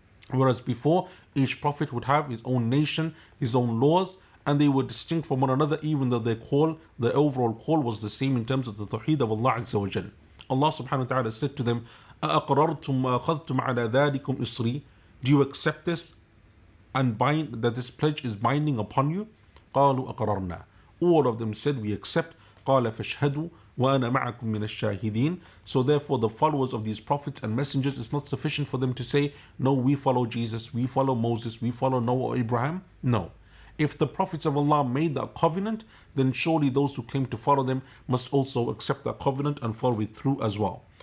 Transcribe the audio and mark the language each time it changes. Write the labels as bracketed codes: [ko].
[en] Whereas before, each prophet would have his own nation, his own laws, and they were distinct from one another, even though their call, the overall call, was the same in terms of the tawheed of Allah Azza wa Jal. Allah subhanahu wa ta'ala said to them, [ar] أَأَقْرَرْتُمْ وَأَخَذْتُمْ عَلَى ذَٰلِكُمْ إِصْرِي, [en] do you accept this and bind that this pledge is binding upon you? [ar] قالوا أقررنا. [en] All of them said, we accept. [ar] قال فشهدوا وأنا معكم من الشاهدين. [en] So therefore, the followers of these prophets and messengers, it's not sufficient for them to say, no, we follow Jesus, we follow Moses, we follow Noah or Abraham. No. If the prophets of Allah made that covenant, then surely those who claim to follow them must also accept that covenant and follow it through as well.